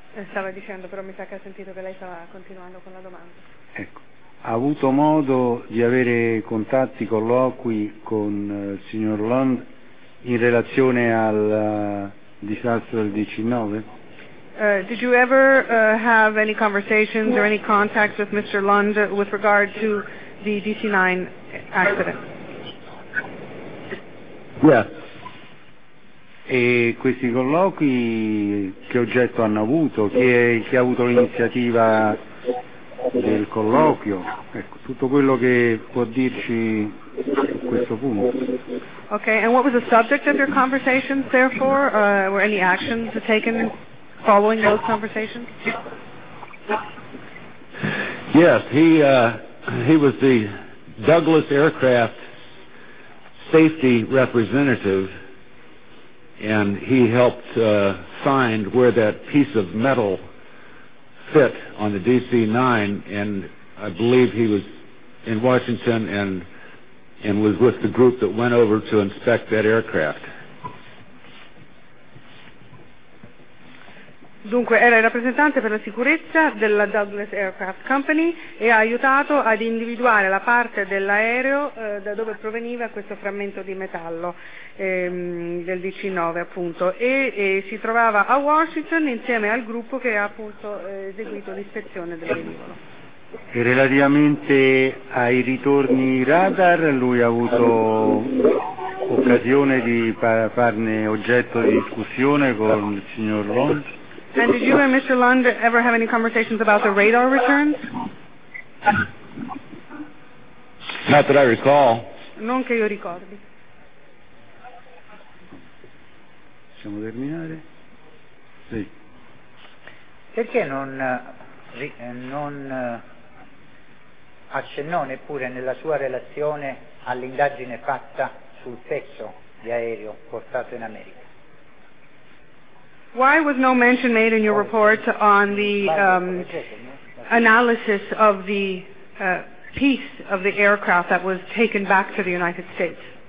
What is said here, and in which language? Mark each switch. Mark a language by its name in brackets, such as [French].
[Italian] Stava dicendo, però mi sa che ha sentito che lei stava continuando con la domanda. Ecco. Ha avuto modo di avere contatti, colloqui con il signor Lund in relazione al disastro del 19? [English] Did you ever have any conversations or any contacts with Mr. Lund with regard to the DC-9 accident? Yes. [Italian] E questi colloqui che oggetto hanno avuto? Chi ha avuto l'iniziativa del colloquio, ecco, tutto quello che può dirci su questo punto. [English] Okay, and what was the subject of your conversations, therefore? Were any actions taken following those conversations? Yes, he was the Douglas Aircraft safety representative, and he helped find where that piece of metal fit on the DC-9, and I believe he was in Washington and was with the group that went over to inspect that aircraft. [Italian] Dunque, era il rappresentante per la sicurezza della Douglas Aircraft Company e ha aiutato ad individuare la parte dell'aereo da dove proveniva questo frammento di metallo del DC-9, appunto, e si trovava a Washington insieme al gruppo che ha appunto eseguito l'ispezione del velivolo. E relativamente ai ritorni radar, lui ha avuto occasione di farne oggetto di discussione con il signor Lund? [English] And did you and Mr. Lund ever have any conversations about the radar returns? Not that I recall. [Italian] Non che io ricordi. Possiamo terminare? Sì. Perché non accennò neppure nella sua relazione all'indagine fatta sul pezzo di aereo portato in America? [English] Why was no mention made in your report on the analysis of the piece of the aircraft that was taken back to the United States?